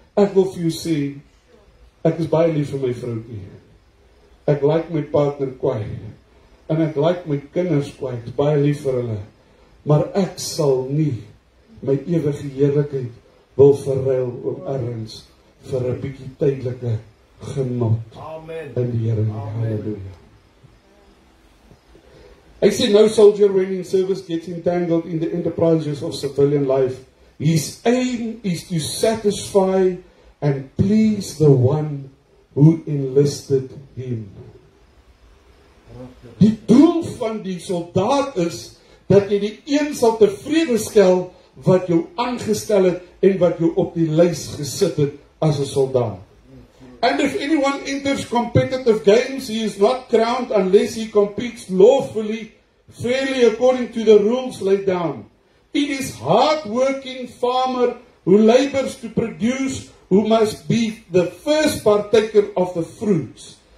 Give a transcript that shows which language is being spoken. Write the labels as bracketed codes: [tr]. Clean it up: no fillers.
[af] Ek wil vir jou sê, ek is baie lief vir my vroutjie, ek like my partner kwaai, en ek like my kinders kwaai, ek is baie lief vir hulle, maar ek sal nie my ewige heerlikheid wil verruil oor ergens vir 'n bietjie tydelike genot. Amen. In die Here. Halleluja. [en] I see no soldier when in service gets entangled in the enterprises of civilian life. His aim is to satisfy and please the one who enlisted him. [af] Die doel van die soldaat is dat jy die een sal tevrede stel wat jou aangestel het en wat jou op die lys gesit het as 'n soldaat. [en] And if anyone enters competitive games, he is not crowned unless he competes lawfully, fairly according to the rules laid down. It is hard-working farmer who labors to produce who must be the first partaker of the fruits.